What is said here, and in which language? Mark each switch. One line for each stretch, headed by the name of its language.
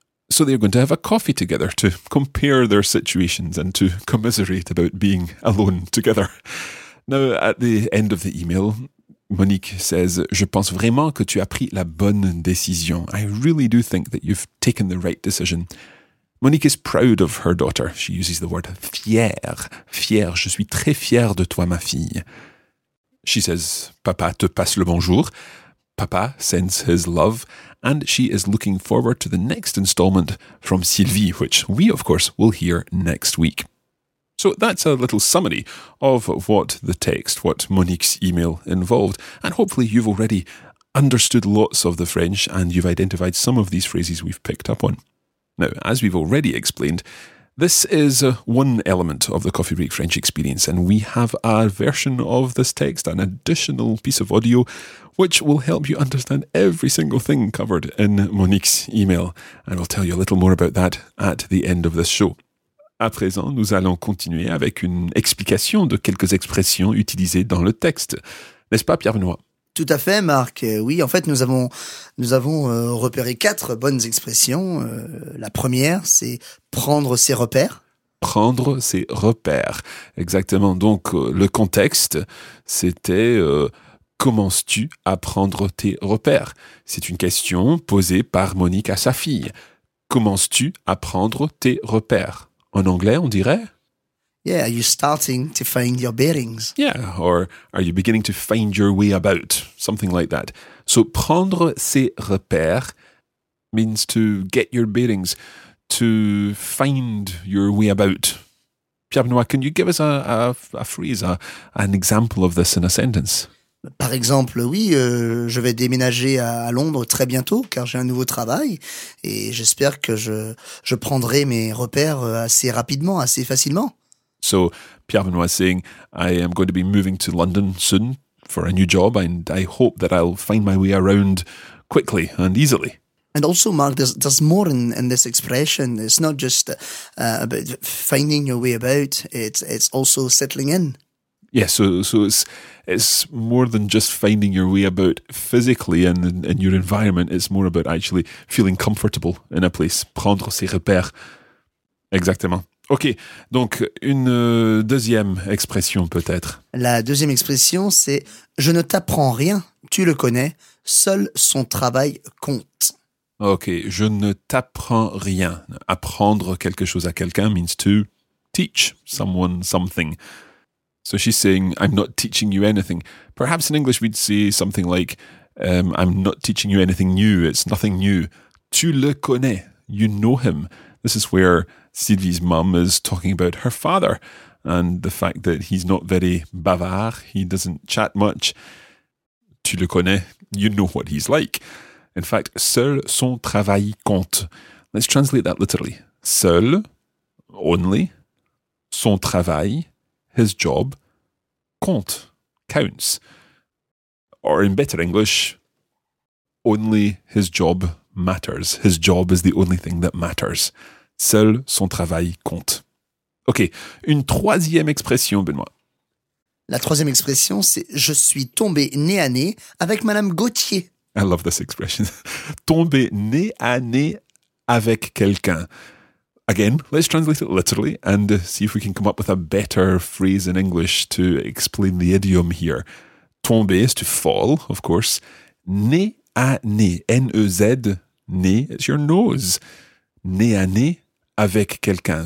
English: So they're going to have a coffee together to compare their situations and to commiserate about being alone together. Now, at the end of the email, Monique says,
French: "Je pense vraiment que tu as pris la bonne décision."
English: I really do think that you've taken the right decision. Monique is proud of her daughter. She uses the word fière. Fière.
French: Je suis très fière de toi, ma fille.
English: She says,
French: "Papa te passe le bonjour."
English: Papa sends his love. And she is looking forward to the next installment from Sylvie, which we, of course, will hear next week. So that's a little summary of what the text, what Monique's email involved. And hopefully you've already understood lots of the French and you've identified some of these phrases we've picked up on. Now, as we've already explained, this is one element of the Coffee Break French experience. And we have a version of this text, an additional piece of audio, which will help you understand every single thing covered in Monique's email. And I'll tell you a little more about that at the end of this show.
French: À présent, nous allons continuer avec une explication de quelques expressions utilisées dans le texte. N'est-ce pas, Pierre-Benoît ? Tout à fait, Marc. Oui, en fait, nous avons repéré quatre bonnes expressions. La première, c'est « prendre ses repères ». Prendre ses repères, exactement. Donc, le contexte, c'était « commences-tu à prendre tes repères ?» C'est une question posée par Monique à sa fille. « Commences-tu à prendre tes repères ?» En anglais, on dirait...
English: Yeah, are you starting to find your bearings? Yeah, or are you beginning to find your way about? Something like that. So,
French: prendre ses repères
English: means to get your bearings, to find your way about. Pierre-Benoît, can you give us a phrase, an example of this in a sentence?
French: Par exemple, oui, je vais déménager à Londres très bientôt car j'ai un nouveau travail et j'espère que je prendrai mes repères assez rapidement, assez facilement.
English: So, Pierre-Benoît is saying, I am going to be moving to London soon for a new job and I hope that I'll find my way around quickly and easily. And also, Mark, there's more in this expression. It's not just about finding your way about, it's also settling in. Yeah, so it's more than just finding your way about physically and in your environment. It's more about actually feeling comfortable in a place.
French: Prendre ses repères. Exactement. OK, donc une deuxième expression peut-être. La deuxième expression, c'est « Je ne t'apprends rien, tu le connais, seul son travail compte ». Ok, je ne t'apprends rien. Apprendre quelque chose à quelqu'un
English: means to teach someone something. So she's saying, I'm not teaching you anything. Perhaps in English we'd say something like, I'm not teaching you anything new, it's nothing new.
French: Tu le connais,
English: you know him. This is where Sylvie's mum is talking about her father and the fact that he's not very bavard, he doesn't chat much.
French: Tu le connais,
English: you know what he's like. In fact,
French: seul son travail compte.
English: Let's translate that literally. Seul, only, son travail, his job, compte, counts. Or in better English, only his job matters. His job is the only thing that matters.
French: Seul son travail compte. Ok, une troisième expression, Benoît. La troisième expression, c'est « Je suis tombé nez à nez avec Madame Gauthier ».
English: I love this expression.
French: Tomber nez à nez avec quelqu'un.
English: Again, let's translate it literally and see if we can come up with a better phrase in English to explain the idiom here. Tomber is to fall, of course.
French: Nez à nez.
English: N-E-Z, nez, it's your nose.
French: Nez à nez avec quelqu'un.